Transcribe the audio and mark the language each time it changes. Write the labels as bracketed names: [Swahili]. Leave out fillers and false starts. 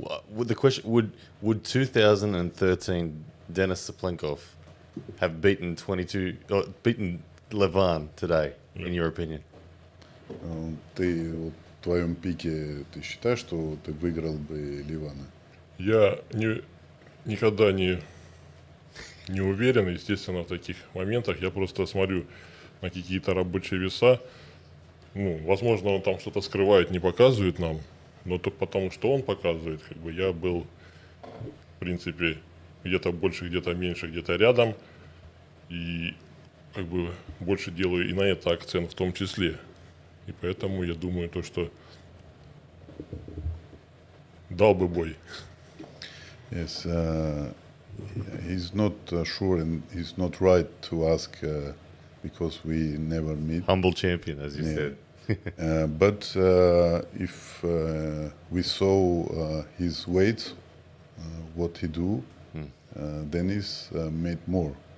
[English] Would the question, would 2013 Denis Cyplenkov have beaten beaten Levan today, in your opinion? [Russian] Ты вот в твоем пике, ты считаешь, что ты выиграл бы Левана? Я никогда не... Не уверен, естественно, в таких моментах. Я просто смотрю на какие-то рабочие веса. Ну, возможно, он там что-то скрывает, не показывает нам. Но только потому, что он показывает, как бы я был, в принципе, где-то больше, где-то меньше, где-то рядом. И как бы больше делаю и на это акцент в том числе. И поэтому я думаю то, что дал бы бой. [English] Yes, he's not sure and he's not right to ask because we never meet. Humble champion, as you said. but if we saw his weight, what he do, Denis made more.